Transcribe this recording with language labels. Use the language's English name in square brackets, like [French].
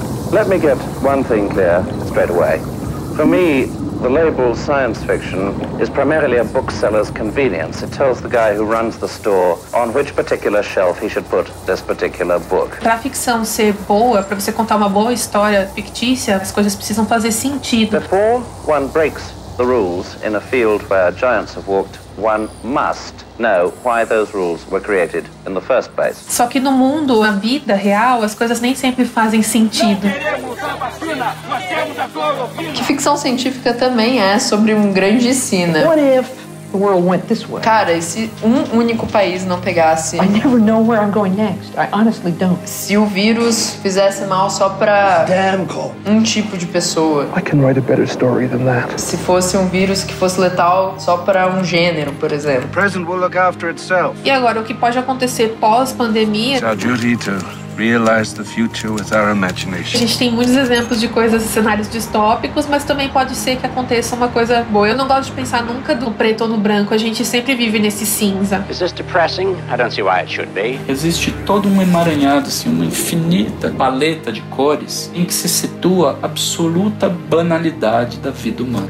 [English] Let me get one thing clear straight away. For me, the label science fiction is primarily a bookseller's convenience. It tells the guy who runs the store on which particular shelf he should put this particular book. [Portuguese] Para a ficção ser boa, para você contar uma boa história fictícia, as coisas precisam fazer sentido. [English] Before one breaks the rules in a field where giants have walked, one must know why those rules were created in the first place. [Portuguese] Só que no mundo, na vida real, as coisas nem sempre fazem sentido. Que ficção científica também é sobre um grande sina. [English] What if the world went this way? [Portuguese] Cara, e se um único país não pegasse? [English] I never know where I'm going next. I honestly don't. [Portuguese] Se o vírus fizesse mal só pra [English] damn cold. [Portuguese] Um tipo de pessoa. [English] I can write a better story than that. [Portuguese] Se fosse um vírus que fosse letal só pra um gênero, por exemplo. [English] The present will look after itself. [Portuguese] E agora, o que pode acontecer pós-pandemia? [English] It's our duty to realize the future with our imagination. [Portuguese] A gente tem muitos exemplos de coisas, cenários distópicos, mas também pode ser que aconteça uma coisa boa. Eu não gosto de pensar nunca no preto ou no branco, a gente sempre vive nesse cinza. [English] Is this depressing? I don't see why it should be. [Portuguese] Existe todo um emaranhado, assim, uma infinita paleta de cores em que se situa a absoluta banalidade da vida humana.